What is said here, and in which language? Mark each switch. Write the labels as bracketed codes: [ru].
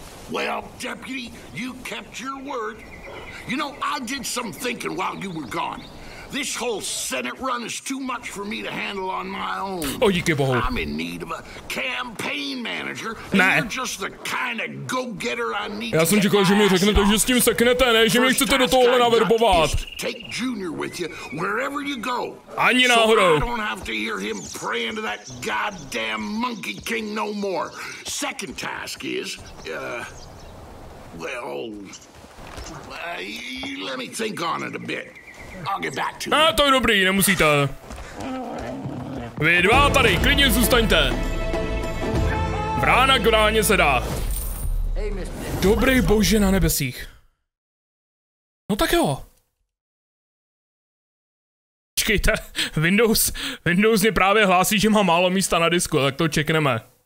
[en] Well, Deputy, you kept your word. You know, I did some thinking while you were gone. This whole Senate run is too much for me to handle on my own. Oh, you give a hole. I'm in need of a campaign manager, and nah. You're just the kind of go-getter I need. [cs] Já jsem říkal, že mi řeknete, že s tím seknete, ne, že mě chcete do tohohle naverbovat. [en] Take Junior with you wherever you go. [cs] Ani náhodou. [en] So I don't have to hear him praying to that goddamn Monkey King no more. Second task is, let me think on it a bit. [cs] A to je dobrý, nemusíte. Vy dva tady, klidně zůstaňte. Brána k bráně se dá. Dobrý bože na nebesích. No tak jo. Počkejte, Windows mě právě hlásí, že má málo místa na disku, tak to čekneme.